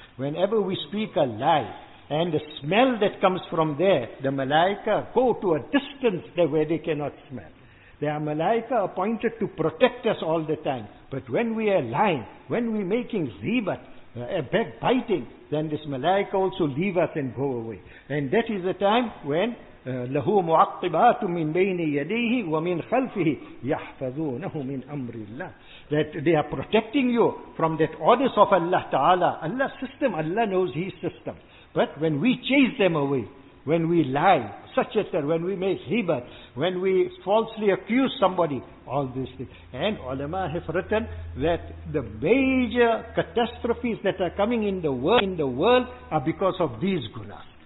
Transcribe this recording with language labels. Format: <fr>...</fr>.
<en>Whenever we speak a lie, and the smell that comes from there, the malaika go to a distance there where they cannot smell. There are malaika appointed to protect us all the time. But when we are lying, when we are making zibat, backbiting, then this malaika also leave us and go away. And that is the time when</en> <ar>لَهُ مُعَقِّبَاتُ مِنْ بَيْنِ يَدَيْهِ وَمِنْ خَلْفِهِ يَحْفَذُونَهُ مِنْ أَمْرِ اللَّهِ.</ar> <en>That they are protecting you from that orders of Allah Ta'ala. Allah's system, Allah knows His system. But when we chase them away, when we lie, such as that, when we make hibat, when we falsely accuse somebody, all these things. And ulama have written that the major catastrophes that are coming in the world are because of these gunas.</en>